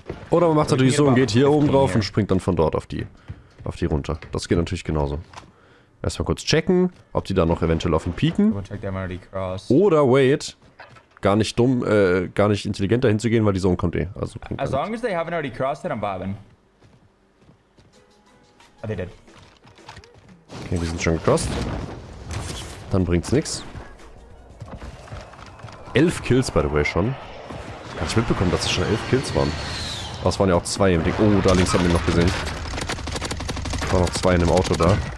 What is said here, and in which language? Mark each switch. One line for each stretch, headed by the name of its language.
German: Oder man macht es natürlich so und geht hier oben drauf und springt dann von dort auf die runter. Das geht natürlich genauso. Erstmal kurz checken, ob die da noch eventuell auf ihn pieken. Oder wait, gar nicht dumm, gar nicht intelligent dahin zu gehen, weil die Zone kommt eh. Also
English: as long as they haven't already crossed it, I'm vibing. Oh, they did.
German: Okay, die sind schon gecrossed. Dann bringt's nix. 11 Kills,
English: by the way,
German: schon. Hab ich mitbekommen, dass es schon 11 Kills waren. Aber es waren ja auch 2 im Ding. Oh, da links haben wir ihn noch gesehen. Waren noch 2 in dem Auto da.